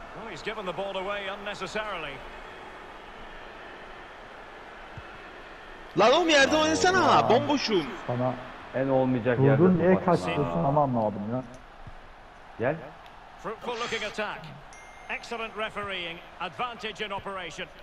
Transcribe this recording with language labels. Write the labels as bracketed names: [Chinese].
[English] He's given the ball away unnecessarily. [Turkish] Lan oğlum yerde oynasana ya. Bomboşum. Sana en olmayacak yerde. Durdun niye kaçtırsın ama anlamadım ya. Gel. [English] Fruitful looking attack. Excellent refereeing. Advantage in operation.